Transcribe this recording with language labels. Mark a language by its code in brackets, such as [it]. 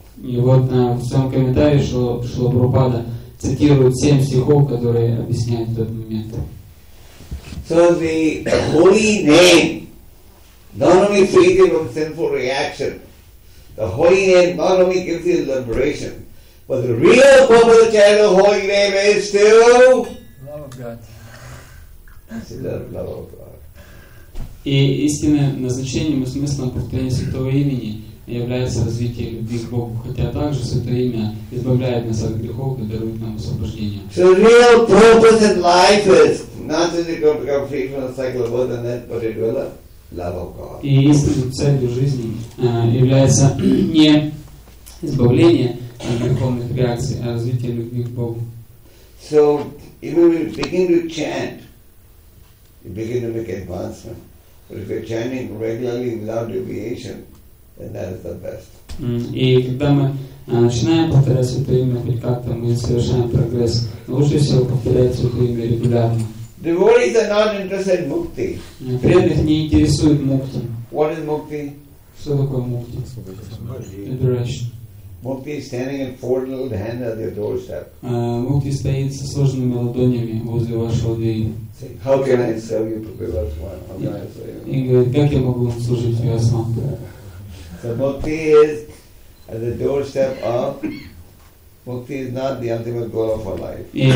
[ru] И вот в своем комментарии Шрила Прабхупада цитирует 7 стихов, которые объясняют этот момент. [en] So the holy name, not only freedom from sinful reaction, the holy name not only gives you liberation, but the real purpose of the chant of the holy name is to love of God. [ru] И истинное назначение и смысл повторения святого имени является развитие любви к Богу, хотя также святое имя избавляет нас от грехов и дарует нам освобождение. [en] So the real purpose in life is not that you can become free from the cycle of birth and death, but it will love. [ru] И истинной целью жизни является не избавление от духовных реакций, а развитие любви к Богу. [en] So, even when you begin to chant, you begin to make advancement. But if you're chanting regularly without deviation, then that is the best. [ru] И когда мы начинаем повторять Святое Имя хоть как-то, мы совершаем прогресс. Лучше всего повторять Святое Имя регулярно. [en] Devotees are not interested in mukti. [ru] Преданных не интересует мукти. [en] What is mukti? [ru] Что такое мукти? [en] Liberation. Mukti is standing in folded hands at your doorstep. [ru] Мукти стоит со сложенными ладонями возле вашего двери. [en] How can I serve you, Prabhupada? How can I serve you? [ru] И говорит, как я могу служить тебе сам? [en] So mukti is at the doorstep of. Mukti is not the ultimate goal of our life.